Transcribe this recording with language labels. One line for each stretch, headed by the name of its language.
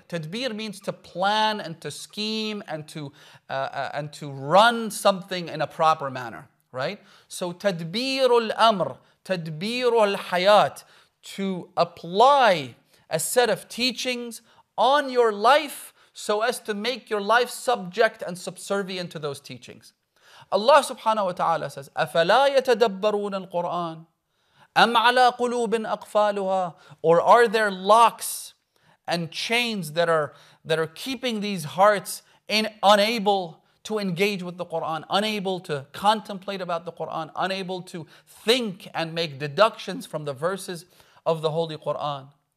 English: Tadbir means to plan and to scheme and to run something in a proper manner, right? So tadbir al-amr, tadbir al-hayat, to apply a set of teachings on your life so as to make your life subject and subservient to those teachings. Allah subhanahu wa ta'ala says,
Arabic: أَفَلَا يَتَدَبَّرُونَ الْقُرْآنَ أَمْ عَلَىٰ قُلُوبٍ أَقْفَالُهَا.
English: Or are there locks and chains that are keeping these hearts unable to engage with the Qur'an, unable to contemplate about the Qur'an, unable to think and make deductions from the verses of the Holy Qur'an.